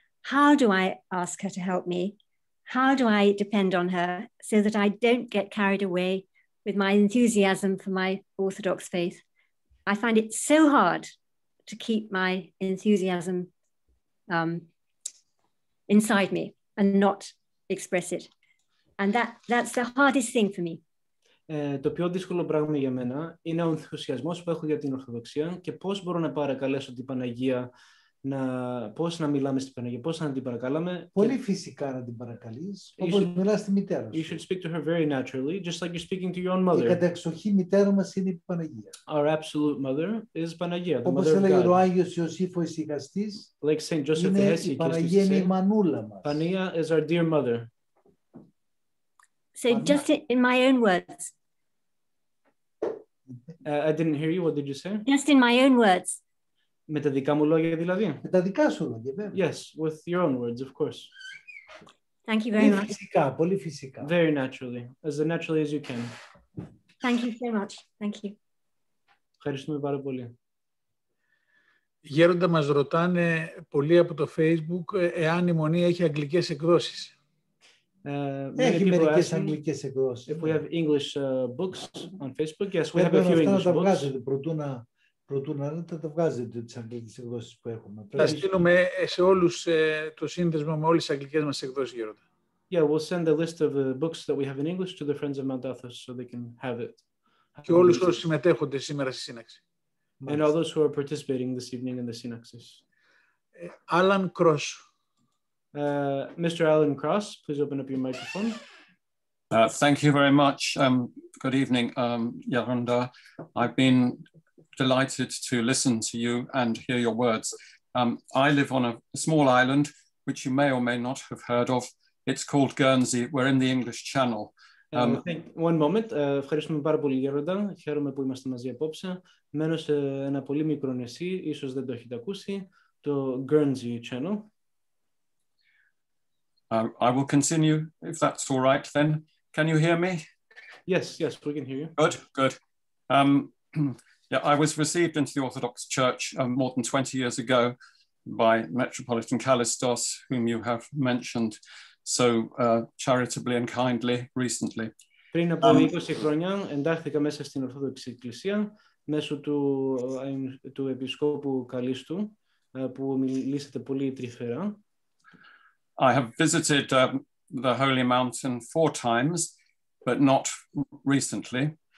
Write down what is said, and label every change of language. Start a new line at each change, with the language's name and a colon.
English: How do I ask her to help me? How do I depend on her so that I don't get carried away with my enthusiasm for my Orthodox faith? I find it so hard to keep my enthusiasm inside me and not express it. And that's the hardest thing for me.
Greek: Το πιο δύσκολο πράγμα για μένα είναι ο ενθουσιασμός που έχω για την Ορθοδοξία και πώς μπορώ να παρακαλέσω την Παναγία να πώς να μιλάμε στην Παναγία, πώς να την παρακαλάμε. Πολύ φυσικά να την παρακαλείς, όπως μιλάς στη μητέρα σου.
English: You should speak to her very naturally, just like you're speaking to your own mother.
Greek: Η κατεξοχή μητέρα μας είναι η Παναγία.
English: Our absolute mother is Παναγία.
Greek: Όπως έλεγε ο Άγιος Ιωσήφος Ηγαστής,
English: like Saint Joseph
Greek: είναι η Παναγία, είναι η μανούλα μας.
English: Παναγία is our dear mother. So just in my own words. I didn't hear you. What did you say? Just in my own words.
Greek: Με τα δικά μου λόγια, δηλαδή. Με τα δικά σου λόγια, βέβαια.
English: Yes, with your own words, of course. Thank you very much.
Greek: Φυσικά, πολύ φυσικά.
English: Very naturally, as naturally as you can. Thank you so much. Thank you.
Greek: Ευχαριστούμε πάρα πολύ. Γέροντα, μας ρωτάνε πολλοί από το Facebook εάν η Μονή έχει αγγλικές εκδόσεις. Έχει μερικές αγγλικές εκδόσεις.
English: If we have English books on Facebook, yes, we have a few English books.
Greek: Πρέπει να τα βγάζετε προτού να δεν τα βγάζετε τις αγγλικές εκδόσεις που έχουμε. Θα στείλουμε σε όλους το σύνδεσμο με όλες τις αγγλικές μας εκδόσεις, Γέροντα.
English: Yeah, we'll send a list of the books that we have in English to the friends of Mount Athos so they can have it.
Greek: Και όλους όσους συμμετέχονται σήμερα στη σύναξη.
English: And all those who are participating this evening in the synaxis. Alan Cross. Mr. Alan Cross, please open up your microphone. Thank you very much. Good evening, Yaronda. I've been delighted to listen to you and hear your words. I live on a small island, which you may or may not have heard of. It's called Guernsey. We're in the English Channel. One moment.
Greek: Ευχαριστούμε πάρα πολύ, Γέροντα. Χαίρομαι που είμαστε μαζί απόψε. Μένω σε ένα πολύ μικρό νησί, ίσως δεν το έχετε ακούσει, το Guernsey Channel.
English: I will continue, if that's all right, then. Can you hear me? Yes, we can hear you. Good. I was received into the Orthodox Church more than 20 years ago by Metropolitan Callistos, whom you have mentioned so charitably and kindly recently.
Greek: Πριν από 20 χρόνια εντάχθηκα μέσα στην Ορθόδοξη Εκκλησία μέσω του Επισκόπου Καλίστου, που μιλήσατε πολύ τρυφερά.
English: I have visited the Holy Mountain 4 times, but not recently.